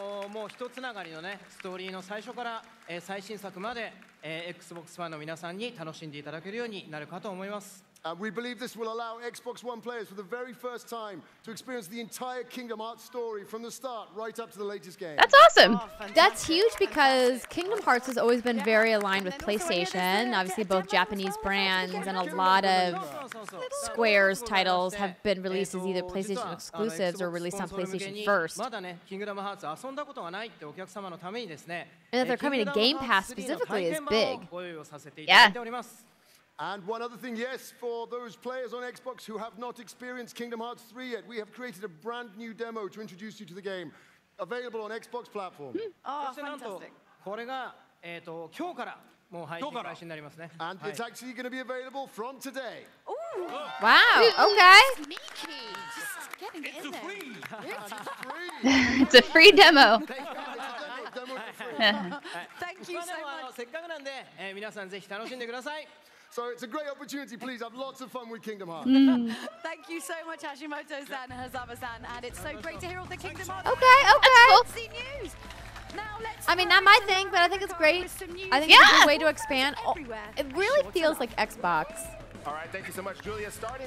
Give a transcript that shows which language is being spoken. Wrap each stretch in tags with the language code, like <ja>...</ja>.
<ja>もう一つながりのね、ストーリーの最初から最新作まで Xbox ファンの皆さんに楽しんでいただけるようになるかと思います。</ja> <en>We believe this will allow Xbox One players for the very first time to experience the entire Kingdom Hearts story from the start right up to the latest game. That's awesome. That's huge because Kingdom Hearts has always been very aligned with PlayStation. Obviously, both Japanese brands and a lot of Square's titles have been released as either PlayStation exclusives or released on PlayStation first. And that they're coming to Game Pass specifically is big. Yeah. And one other thing, yes, for those players on Xbox who have not experienced Kingdom Hearts 3 yet, we have created a brand new demo to introduce you to the game, available on Xbox platform. Oh, fantastic.</en> <ja>これが、今日からもう配信開始になりますね。</ja> <en>And it's actually going to be available from today. Ooh. Wow, okay. Sneaky. Just getting it's in a free. It's a free demo. Thank you so much.</en> <ja>せっかくなんで、皆さんぜひ楽しんでください。</ja> <en>So it's a great opportunity, please. Have lots of fun with Kingdom Hearts. Thank you so much, Hashimoto-san, Hazama-san, and it's so great to hear all the Kingdom Hearts. Okay, okay. That's cool. News. Now let's I mean, not my thing, but I think it's great. I think it's a good way to expand. It really feels like Xbox. All right, thank you so much, Julia. Starting</en>